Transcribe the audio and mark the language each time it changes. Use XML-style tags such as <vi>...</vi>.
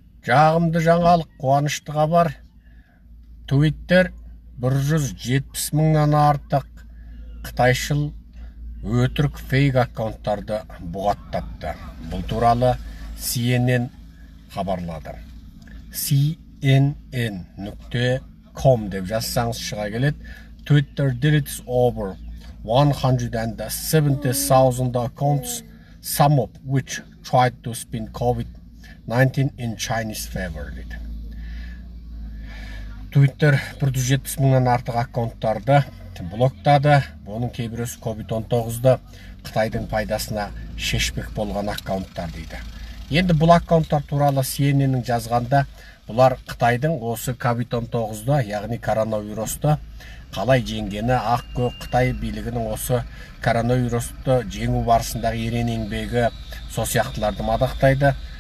<kk>Жағымды жаңалық, қуанышты хабар. Туиттер 170 мыңнан артық қытайшыл өтірік фейк аккаунттарды бұғаттапты. Бұл туралы CNN хабарлады. CNN.com деп жазсаңыз шыға келеді.</kk> <en>Twitter deletes over 170,000 accounts, some of which tried to spin COVID-19 in Chinese favor.</en> <kk>Twitter 170 мыңнан артық аккаунттарды блоктады. Оның кейбіреуі COVID-19-ды Қытайдың пайдасына шешпек болған аккаунттар дейді. Енді бұл аккаунттар туралы CNN-нің жазғанда, бұлар Қытайдың осы COVID-19-ды, яғни коронавирусты қалай жеңгені, ақ көк Қытай билігінің осы коронавирусты жеңу барысындағы ерен еңбегі, сол сияқтыларды мадақтайды.</kk>